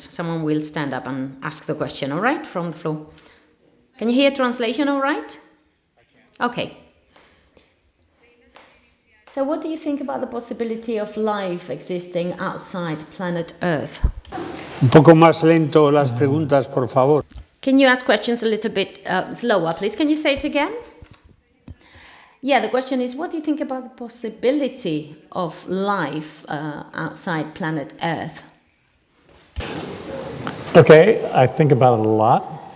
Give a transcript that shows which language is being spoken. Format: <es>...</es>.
<en>Someone will stand up and ask the question, all right, from the floor. Can you hear translation all right? Okay. So what do you think about the possibility of life existing outside planet Earth?</en> <es>Un poco más lento las preguntas, por favor.</es> <en>Can you ask questions a little bit slower, please? Can you say it again? Yeah, the question is, what do you think about the possibility of life outside planet Earth? Okay, I think about it a lot.</en>